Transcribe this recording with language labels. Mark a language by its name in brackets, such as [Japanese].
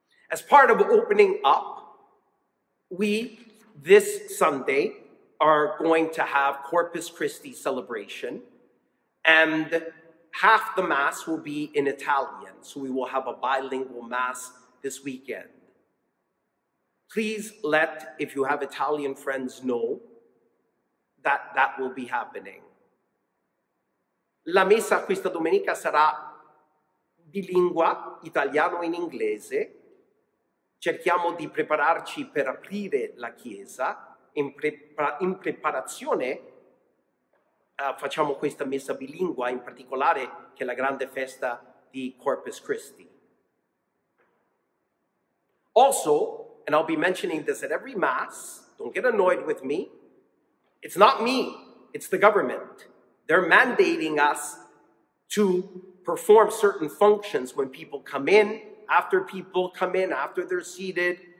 [English] As part of opening up, we, this Sunday, are going to have Corpus Christi celebration, and half the Mass will be in Italian, so we will have a bilingual Mass this weekend. Please let, if you have Italian friends, know that that will be happening. [Italian] La messa questa domenica sarà bilingua, italiano in inglese. Cerchiamo di prepararci per aprire la chiesa. In preparazione facciamo questa messa bilingua, in particolare che è la grande festa di Corpus Christi. [English] Also, and I'll be mentioning this at every Mass, don't get annoyed with me, it's not me, it's the government. They're mandating us to perform certain functions when people come in, after people come in, after they're seated.